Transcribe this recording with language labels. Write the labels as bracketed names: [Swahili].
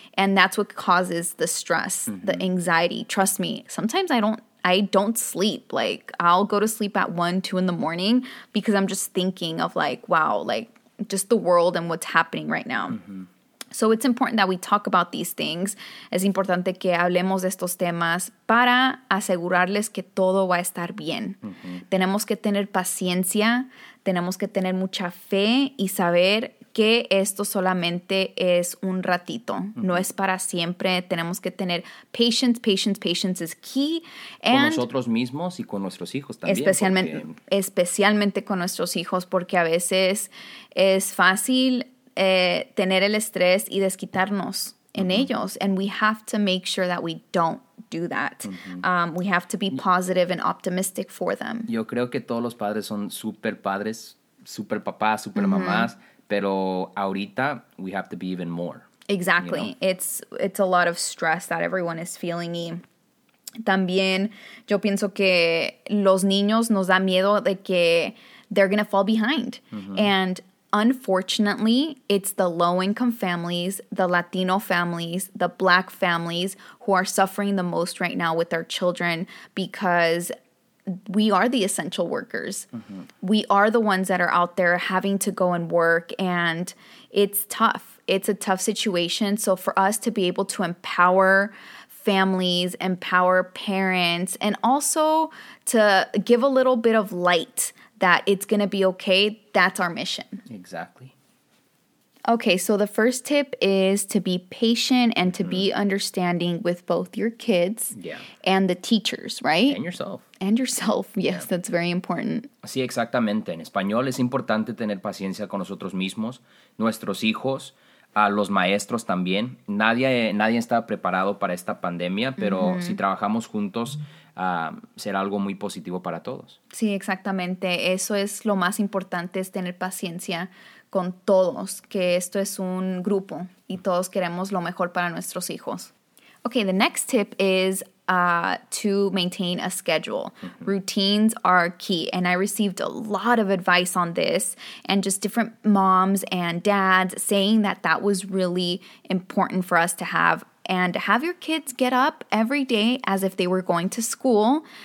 [English] And that's what causes the stress, uh-huh. the anxiety. Trust me, sometimes I don't sleep. Like, I'll go to sleep at 1-2 in the morning because I'm just thinking of like, wow, like just the world and what's happening right now. Uh-huh. So it's important that we talk about these things. [Spanish] Es importante que hablemos de estos temas para asegurarles que todo va a estar bien. Uh-huh. Tenemos que tener paciencia, tenemos que tener mucha fe y saber que esto solamente es un ratito. Uh-huh. No es para siempre. Tenemos que tener [English] patience, patience, patience is key. And [Spanish] con nosotros mismos y con nuestros hijos también. Especialmente con nuestros hijos porque a veces es fácil tener el estrés y desquitarnos uh-huh. en ellos. [English] And we have to make sure that we don't do that. Uh-huh. We have to be positive and optimistic for them. [Spanish] Yo creo que todos los padres son super padres, super papás, super uh-huh. mamás, pero ahorita [English] we have to be even more. Exactly. You know? It's a lot of stress that everyone is feeling. [Spanish] Y también yo pienso que los niños nos da miedo de que [English] they're going to fall behind. [Spanish] Uh-huh. [English] And unfortunately, it's the low-income families, the Latino families, the Black families who are suffering the most right now with their children because we are the essential workers. Mm-hmm. We are the ones that are out there having to go and work, and it's tough. It's a tough situation. So for us to be able to empower families, empower parents, and also to give a little bit of light that it's going to be okay, that's our mission. Exactly. Okay, so the first tip is to be patient and to mm-hmm. be understanding with both your kids and the teachers, right? And yourself. Yes, yeah. That's very important. [Spanish] Sí, exactamente. En español es importante tener paciencia con nosotros mismos, nuestros hijos, a los maestros también. Nadie está preparado para esta pandemia, pero mm-hmm. si trabajamos juntos, será algo muy positivo para todos. Sí, exactamente. Eso es lo más importante, es tener paciencia con todos que esto es un grupo y todos queremos lo mejor para nuestros hijos. [English] Okay, the next tip is to maintain a schedule. Mm-hmm. Routines are key, and I received a lot of advice on this and just different moms and dads saying that that was really important for us to have. And have your kids get up every day as if they were going to school.